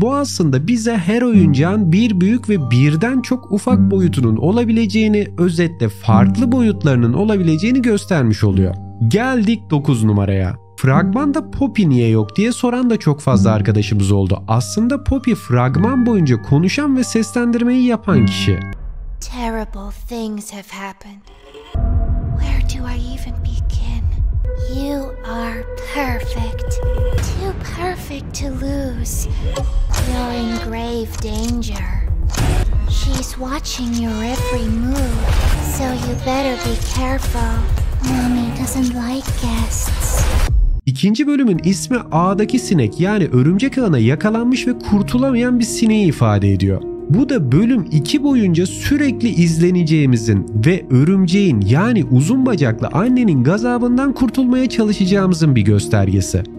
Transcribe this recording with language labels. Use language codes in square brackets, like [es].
[tr] Bu aslında bize her oyuncağın bir büyük ve birden çok ufak boyutunun olabileceğini, özetle farklı boyutlarının olabileceğini göstermiş oluyor. Geldik 9 numaraya. Fragmanda Poppy niye yok diye soran da çok fazla arkadaşımız oldu. Aslında Poppy fragman boyunca konuşan ve seslendirmeyi yapan kişi. [en] Terrible things have happened. Where do I even begin? You are perfect. Too perfect to lose. You're in grave danger. She's watching your every move. So you better be careful. Mommy doesn't like guests. [tr] İkinci bölümün ismi ağdaki sinek yani örümcek ağına yakalanmış ve kurtulamayan bir sineği ifade ediyor. Bu da bölüm 2 boyunca sürekli izleneceğimizin ve örümceğin yani uzun bacaklı annenin gazabından kurtulmaya çalışacağımızın bir göstergesi.